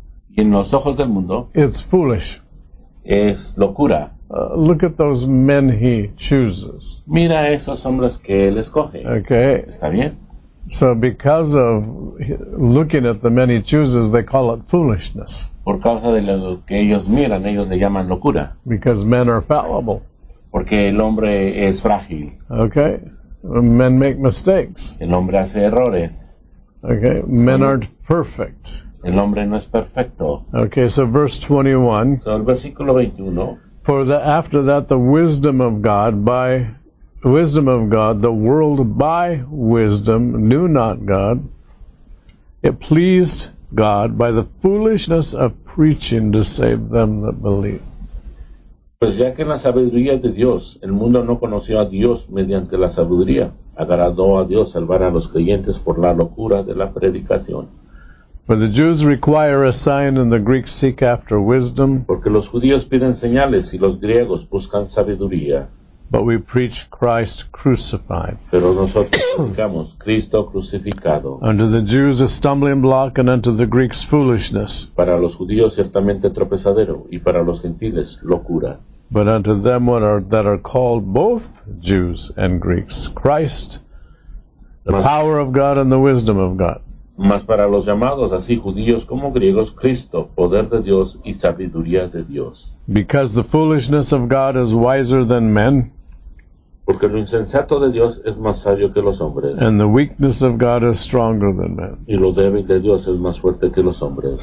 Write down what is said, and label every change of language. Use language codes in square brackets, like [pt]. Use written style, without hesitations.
[es] Y en los ojos del mundo. [en] It's foolish. [es] Es locura. [en] Look at those men he chooses. [es] Mira esos hombres que él escoge. [en] Okay. [es] Está bien. [en] So because of looking at the men he chooses, they call it foolishness. [es] Por causa de lo que ellos miran, ellos le llaman locura. [en] Because men are fallible. [es] Porque el hombre es frágil. [en] Okay. Men make mistakes. [es] El hombre hace errores. [en] Okay. Men aren't perfect. [es] El hombre no es perfecto. [en] Okay. So verse 21. [es] So el versículo 21. [en] For the, after that, the wisdom of God, by wisdom of God, the world by wisdom knew not God. It pleased God by the foolishness of preaching to save them that believe. [es] Pues ya que en la sabiduría de Dios, el mundo no conoció a Dios mediante la sabiduría, agradó a Dios salvar a los creyentes por la locura de la predicación. [en] For the Jews require a sign and the Greeks seek after wisdom. [es] Porque los judíos piden señales y los griegos buscan sabiduría. [en] But we preach Christ crucified. [es] Pero nosotros predicamos Cristo crucificado. [en] Unto the Jews a stumbling block and unto the Greeks foolishness. [es] Para los judíos ciertamente tropezadero y para los gentiles locura. [en] But unto them that are called both Jews and Greeks, Christ, the power of God and the wisdom of God. [es] Mas para los llamados, así judíos como griegos, Cristo, poder de Dios y sabiduría de Dios. [en] Because the foolishness of God is wiser than men. [es] Porque lo insensato de Dios es más sabio que los hombres. [en] And the weakness of God is stronger than men. [es] Y lo débil de Dios es más fuerte que los hombres.